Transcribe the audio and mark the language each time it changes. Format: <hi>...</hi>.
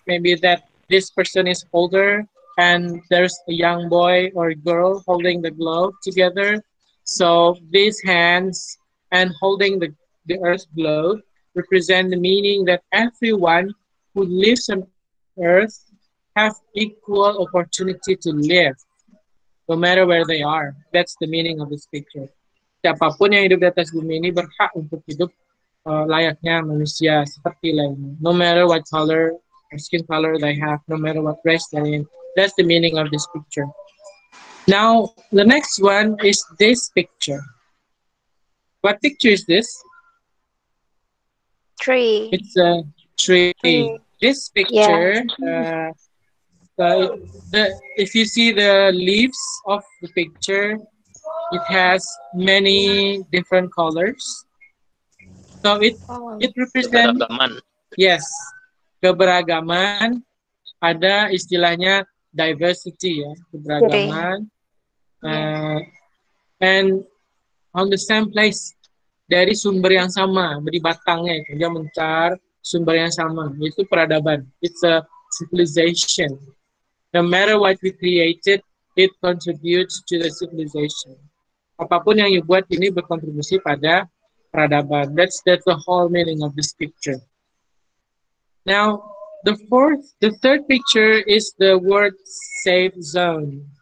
<en>Maybe that this person is older and there's a young boy or girl holding the globe together. So these hands and holding the earth globe represent the meaning that everyone who lives on earth have equal opportunity to live, no matter where they are. That's the meaning of this picture.</en> <id>Siapapun yang hidup di atas bumi ini berhak untuk hidup layaknya manusia seperti lainnya.</id> <en>No matter what color or skin color they have, no matter what race they're in. That's the meaning of this picture. Now, the next one is this picture. What picture is this? Tree. It's a tree. This picture, yeah. If you see the leaves of the picture, it has many different colors. So it represents</en> <id>keberagaman. Yes. Keberagaman, ada istilahnya diversity, ya, keberagaman.</id> <en>And on the same place,</en> <id>dari sumber yang sama, dari batangnya itu dia mencar sumber yang sama, itu peradaban.</id> <en>It's a civilization. No matter what we created, it contributes to the civilization.</en> <id>Apapun yang you buat ini berkontribusi pada peradaban.</id> <en>That's the whole meaning of this picture. Now, the third picture is the word safe zone.</en>